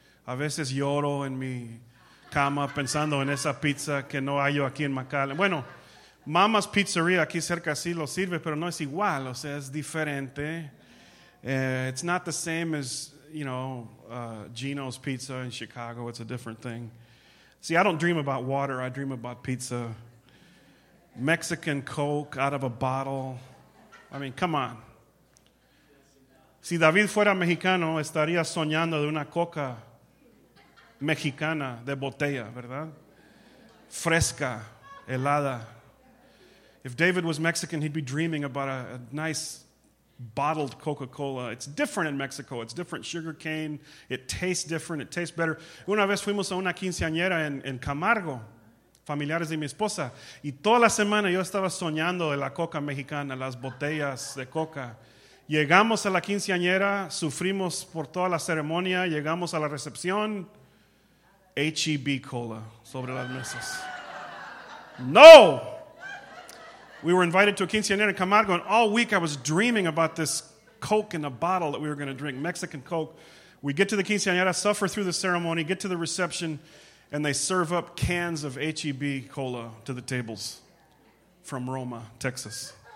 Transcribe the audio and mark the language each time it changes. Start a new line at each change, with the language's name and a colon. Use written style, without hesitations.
Spanish: A veces lloro en mi cama pensando en esa pizza que no hallo aquí en McAllen. Bueno, Mama's Pizzeria aquí cerca sí lo sirve, pero no es igual. O sea, es diferente.
English: It's not the same as, you know, Gino's Pizza in Chicago. It's a different thing. See, I don't dream about water. I dream about pizza. Mexican Coke out of a bottle. I mean, come on.
Spanish: Si David fuera mexicano, estaría soñando de una coca mexicana de botella, ¿verdad? Fresca, helada.
English: If David was Mexican, he'd be dreaming about a nice bottled Coca-Cola. It's different in Mexico. It's different sugar cane. It tastes different. It tastes better.
Spanish: Una vez fuimos a una quinceañera en Camargo, familiares de mi esposa, y toda la semana yo estaba soñando de la coca mexicana, las botellas de coca. Llegamos a la quinceañera, sufrimos por toda la ceremonia, llegamos a la recepción, H-E-B cola sobre las mesas. No!
English: We were invited to a quinceañera in Camargo, and all week I was dreaming about this Coke in a bottle that we were going to drink, Mexican Coke. We get to the quinceañera, suffer through the ceremony, get to the reception, and they serve up cans of H-E-B cola to the tables from Roma, Texas.